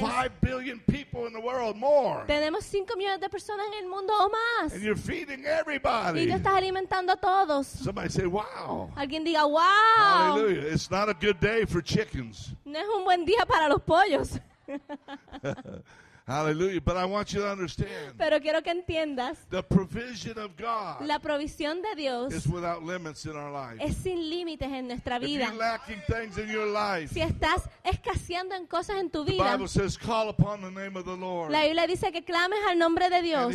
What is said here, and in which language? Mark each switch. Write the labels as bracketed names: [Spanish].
[English] We got 5 billion people in the world, more. [Spanish] Tenemos 5 millones de personas en el mundo o más. [English] And you're feeding everybody. [Spanish] Y tú estás alimentando a todos. [English] Somebody say wow. [Spanish] Alguien diga wow. [English] Hallelujah. It's not a good day for chickens. [Spanish] No es un buen día para los pollos. [English] Hallelujah, but I want you to understand. [Spanish] Pero quiero que entiendas. [English] The provision of God. [Spanish] La provisión de Dios. [English] Is without limits in our life. [Spanish] Es sin límites en nuestra vida. [English] If you're lacking things in your life. [Spanish] Si estás escaseando en cosas en tu vida. [English] The Bible says call upon the name of the Lord. [Spanish] La Biblia dice que clames al nombre de Dios.